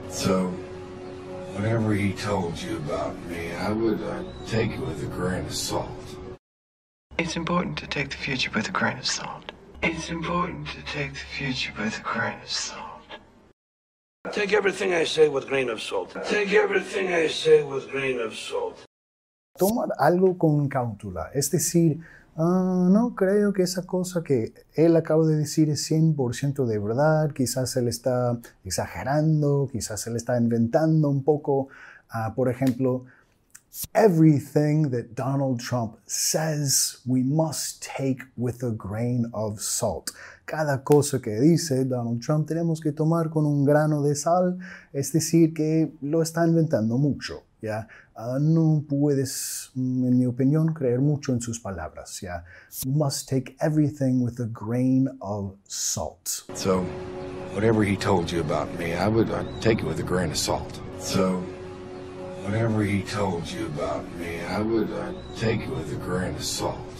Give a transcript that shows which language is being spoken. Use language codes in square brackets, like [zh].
[en] So, whatever he told you about me, I'd take it with a grain of salt. It's important to take the future with a grain of salt. It's important to take the future with a grain of salt. Take everything I say with a grain of salt. Take everything I say with a grain of salt. [es] Tomar algo con cáutela, es decir, no creo que esa cosa que él acaba de decir es 100% de verdad, quizás él está exagerando, quizás él está inventando un poco. Por ejemplo, [en] everything that Donald Trump says we must take with a grain of salt. [es] Cada cosa que dice Donald Trump tenemos que tomar con un grano de sal, es decir, que lo está inventando mucho, ¿ya? No puedes, en mi opinión, creer mucho en sus palabras, ¿ya? [en] You must take everything with a grain of salt. So, whatever he told you about me, I'd take it with a grain of salt. So, whatever he told you about me, I'd take it with a grain of salt.